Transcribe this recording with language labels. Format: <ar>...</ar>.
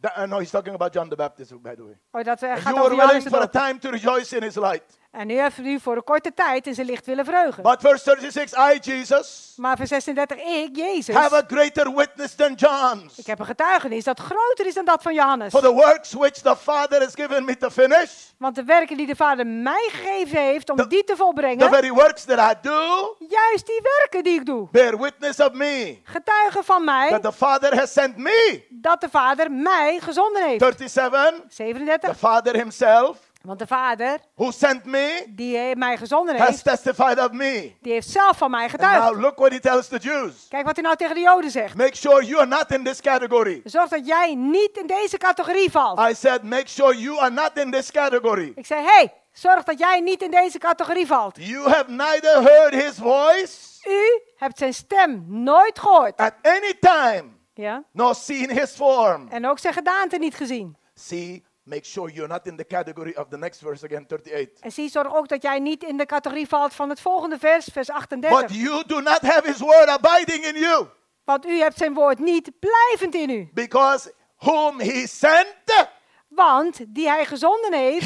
<en>No, he's talking about John the Baptist, by the way.</en> <nl>Oh, dat gaat</nl> <en>you were willing for a time to rejoice in his light.</en> <nl>En u heeft nu voor een korte tijd in zijn licht willen vreugen.</nl> <en>But verse 36, I, Jesus.</en> <nl>Maar vers 36, ik, Jezus.</nl> <en>Have a greater witness than John's.</en> <nl>Ik heb een getuigenis dat groter is dan dat van Johannes.</nl> <en>For the works which the Father has given me to finish.</en> <nl>Want de werken die de Vader mij gegeven heeft om die te volbrengen.</nl> <en>The very works that I do.</en> <nl>Juist die werken die ik doe.</nl> <en>Bear witness of me.</en> <nl>Getuigen van mij.</nl> <en>That the Father has sent me.</en> <nl>Dat de Vader mij gezonden heeft. 37.</nl> <en>The Father himself.</en> <nl>Want de Vader,</nl> <en>who sent me,</en> <nl>die mij gezonden</nl> <en>has</en> <nl>heeft,</nl> <en>testified of me.</en> <nl>Die heeft zelf van mij getuigd.</nl> <en>Now look what he tells the Jews.</en> <nl>Kijk wat hij nou tegen de Joden zegt.</nl> <en>Make sure you are not in this category.</en> <nl>Zorg dat jij niet in deze categorie valt.</nl> <en>I said, make sure you are not in this category.</en> <nl>Ik zei, hey, zorg dat jij niet in deze categorie valt.</nl> <en>You have neither heard his voice.</en> <nl>U hebt zijn stem nooit gehoord.</nl> <en>At any time.</en> <nl>Ja.</nl> <en>Nor seen his form.</en> <nl>En ook zijn gedaante niet gezien.</nl> <en>See. Make sure you're not in the category of the next verse again, 38.</en> <nl>En zie, zorg ook dat jij niet in de categorie valt van het volgende vers, vers 38.</nl> <en>But you do not have his word abiding in you.</en> <nl>Want u hebt zijn woord niet blijvend in u.</nl> <en>Because whom he sent.</en> <nl>Want die hij gezonden heeft.</nl>